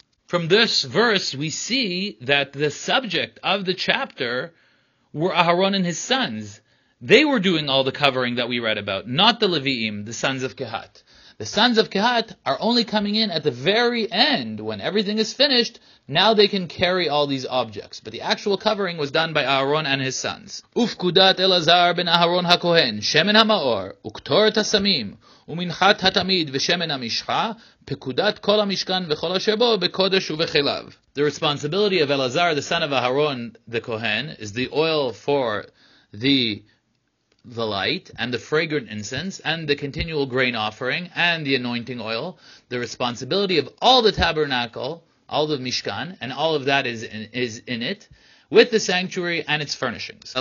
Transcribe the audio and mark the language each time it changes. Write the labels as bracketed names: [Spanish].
[English] From this verse, we see that the subject of the chapter were Aharon and his sons. They were doing all the covering that we read about, not the Levi'im, the sons of Kehat. The sons of Kehat are only coming in at the very end, when everything is finished. Now they can carry all these objects. But the actual covering was done by Aharon and his sons. [Hebrew] Ufkudat Elazar ben Aharon HaKohen, Shemen HaMa'or, Uktor Tasamim, ומנחת התמיד ושמן המשחה, פקודת כל המשכן וכל אשר בו בקודש ובחיליו. [English] The responsibility of Elazar, the son of Aharon, the Kohen, is the oil for the light and the fragrant incense and the continual grain offering and the anointing oil. The responsibility of all the tabernacle, all the mishkan, and all of that is in it, with the sanctuary and its furnishings.